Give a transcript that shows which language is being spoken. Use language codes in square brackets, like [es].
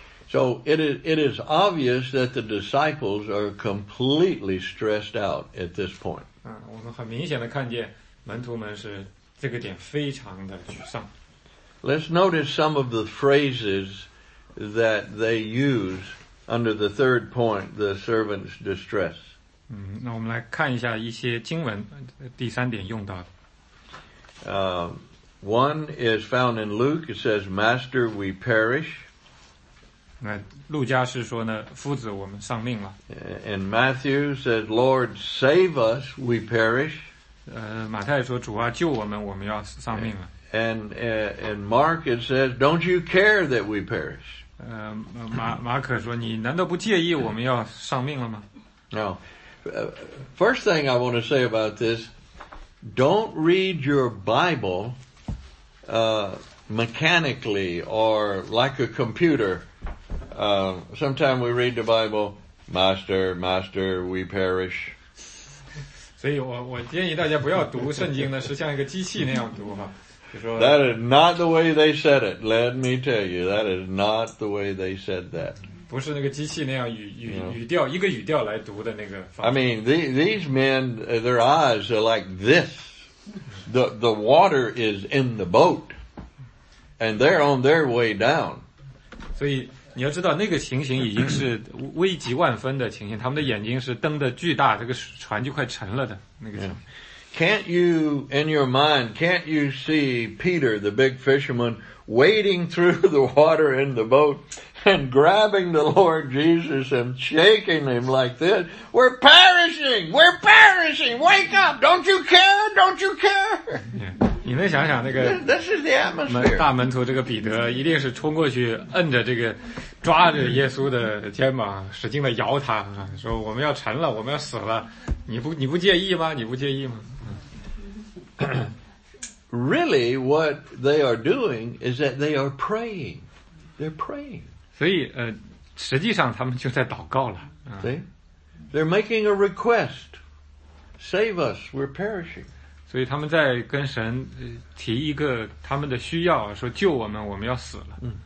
[en] So it is obvious that the disciples are completely stressed out at this point. [zh] 我们很明显的看见门徒们是这个点非常的沮丧。 [en] Let's notice some of the phrases that they use under the third point, the servant's distress. [zh] 那我们来看一下一些经文第三点用到的。 [en] One is found in Luke. It says, Master, we perish. [zh] 那路加是说呢，夫子，我们丧命了。 [en] And Matthew says, Lord, save us, we perish. [zh] 马太说，主啊，救我们，我们要丧命了。 [en] And Mark, it says, don't you care that we perish? [zh] 马可说，你难道不介意我们要丧命了吗？ [en] No. First thing I want to say about this, don't read your Bible mechanically or like a computer. Sometimes we read the Bible, Master, Master, we perish. [zh] 所以我建议大家不要读圣经呢，是像一个机器那样读哈。 [en] That is not the way they said it. Let me tell you, that is not the way they said that. [zh] 不是那个机器那样语调一个语调来读的那个方 [en] I mean, these men, their eyes are like this. The water is in the boat, and they're on their way down. [zh] 所以你要知道，那个情形已经是危急万分的情形。他们的眼睛是瞪得巨大，这个船就快沉了的那个情形。 [en] Can't you, in your mind, can't you see Peter, the big fisherman, wading through the water in the boat and grabbing the Lord Jesus and shaking him like this? We're perishing! We're perishing! Wake up! Don't you care? Don't you care? [zh] Yeah, 你能想想那个 [en] This is the atmosphere. [zh] 大门徒这个彼得一定是冲过去摁着这个抓着耶稣的肩膀使劲地摇他说我们要沉了我们要死了你不介意吗你不介意吗 [en] Really, what they are doing is that they are praying. They're praying. [zh] 所以实际上他们就在祷告了。 [en] See? They're making a request. Save us, we're perishing. [zh] 所以他们在跟神提一个他们的需要说救我们我们要死了。